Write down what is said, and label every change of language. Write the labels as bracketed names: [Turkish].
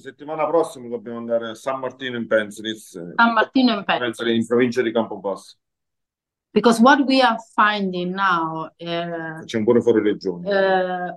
[Italian] settimana prossima dobbiamo andare a San Martino in Pensilis, in San Martino in Pensilis. provincia di Campobasso. [English] Because what we are finding now, [Italian] Facciamo pure fuori regione.